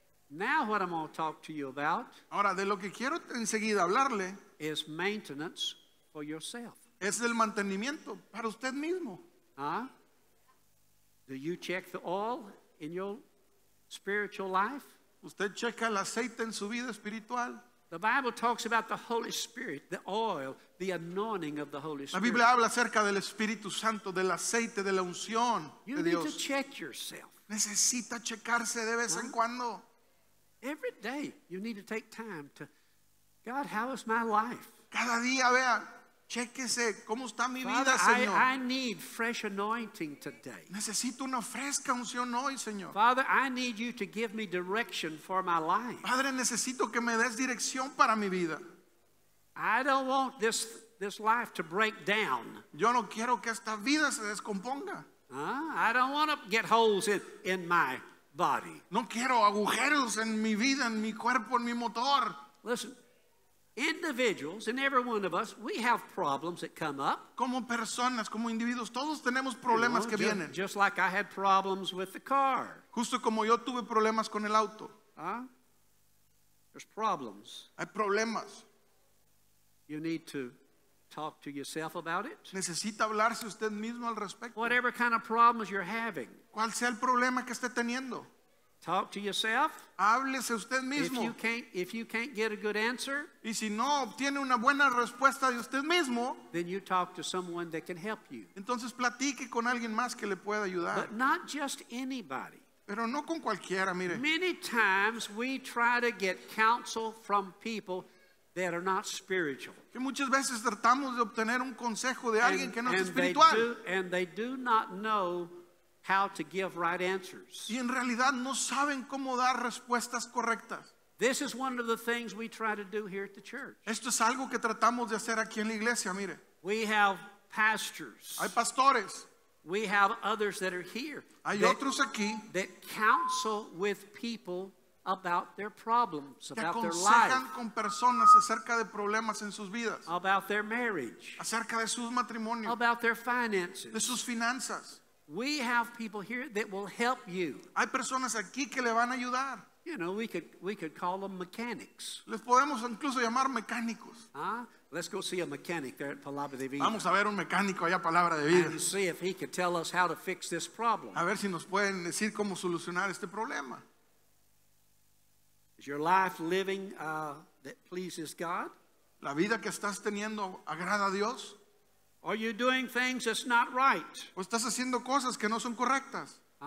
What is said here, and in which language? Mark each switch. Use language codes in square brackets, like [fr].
[en] Now what I'm going to talk to you about. [es] Ahora de lo que quiero enseguida hablarle. [en] Is maintenance for yourself. [es] Es el mantenimiento para usted mismo. [en] Do you check the oil in your spiritual life? [es] Usted checa el aceite en su vida espiritual. [en] The Bible talks about the Holy Spirit, the oil, the anointing of the Holy Spirit. [es] La Biblia habla acerca del Espíritu Santo, del aceite, de la unción [en] you [es] de Dios. [en] You need to check yourself. [es] Necesita checarse de vez en cuando. [en] Every day you need to take time to, God, how is my life? [es] Cada día vea, chéquese, ¿cómo está mi [en] Father, [es] vida, Señor? [en] I need fresh anointing today. [es] Necesito una fresca unción hoy, Señor. [en] Father, I need you to give me direction for my life. [es] Padre, necesito que me des dirección para mi vida. [en] I don't want this life to break down. [es] Yo no quiero que esta vida se descomponga. [en] I don't want to get holes in my body. [es] No quiero agujeros en mi vida, en mi cuerpo, en mi motor. [en] Listen. Individuals and every one of us, we have problems that come up. [es] Como personas, como individuos, todos tenemos problemas que vienen. [en] Just like I had problems with the car. [es] Justo como yo tuve problemas con el auto. [en] There's problems. [es] Hay problemas. [en] You need to talk to yourself about it. [es] Necesita hablarse usted mismo al respecto. [en] Whatever kind of problems you're having. [es] Cuál sea el problema que esté teniendo. [en] Talk to yourself. [es] Háblese usted mismo. [en] If you can't get a good answer, [es] y si no obtiene una buena respuesta de usted mismo, [en] then you talk to someone that can help you. [es] Entonces platique con alguien más que le pueda ayudar. [en] But not just anybody. [es] Pero no con cualquiera, mire. [en] Many times we try to get counsel from people that are not spiritual. [es] Que muchas veces tratamos de obtener un consejo de alguien que no es espiritual. [en] And they do not know how to give right answers. [es] Y en realidad no saben cómo dar respuestas correctas. [en] This is one of the things we try to do here at the church. [es] Esto es algo que tratamos de hacer aquí en la iglesia, mire. [en] We have pastors. [es] Hay pastores. [en] We have others that are here. [es] Hay otros aquí [en] that counsel with people about their problems, about their life. [es] Aconsejan con personas acerca de problemas en sus vidas. [en] About their marriage. [es] Acerca de sus matrimonios. [en] About their finances. [es] De sus finanzas. [en] We have people here that will help you. [es] Hay personas aquí que le van a ayudar. [en] You know, we could call them mechanics. [es] Les podemos incluso llamar mecánicos. [en] Let's go see a mechanic there at Palabra de Vida. [es] Vamos a ver un mecánico allá Palabra de Vida. [en] And see if he can tell us how to fix this problem. [es] A ver si nos pueden decir cómo solucionar este problema. [en] Is your life living that pleases God? [es] La vida que estás teniendo agrada a Dios? [en] Are you doing things that's not right? [es] ¿O estás haciendo cosas que no son correctas?